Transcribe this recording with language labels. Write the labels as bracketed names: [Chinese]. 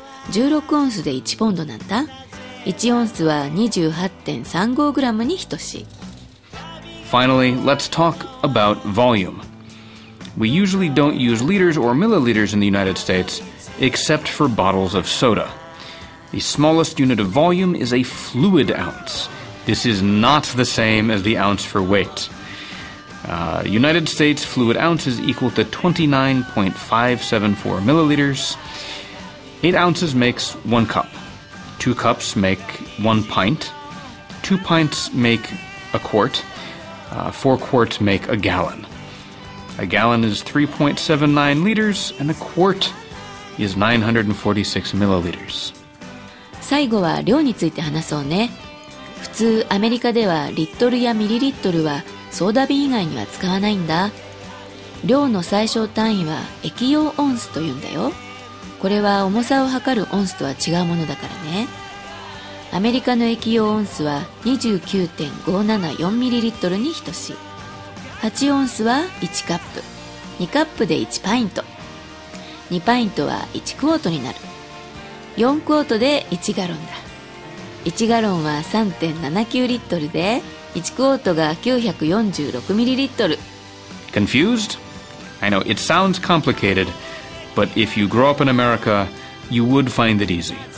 [Japanese] 16オンスで1ポンドなんだ。1オンスは 28.35 グラムに等しい。 [English] Finally, let's talk about volume. We usually don't use liters or milliliters in the United States, except for bottles of soda. The smallest unit of volume is a fluid ounce. This is not the same as the ounce for weight. United States fluid ounce is equal to 29.574 milliliters. 8 ounces makes 1 cup. 2 cups make 1 pint. 2 pints make a quart. 4 quarts make a gallon. A gallon is 3.79 liters, and a quart is 946 milliliters. [Japanese] 最後は量について話そうね。普通アメリカではリットルやミリリットルはソーダ瓶以外には使わないんだ。量の最小単位は液用オンスと言うんだよ。これは重さを測るオンスとは違うものだからね。アメリカの液用オンスは 29.574 ミリリットルに等しい。 8オンスは1カップ。2カップで1パイント。 2パイントは1クォートになる。4クォートで1ガロンだ。 1ガロンは 3.79 リットルで、1クォートが946ミリリットル。 [English] Confused? I know it sounds complicated, but if you grow up in America, you would find it easy.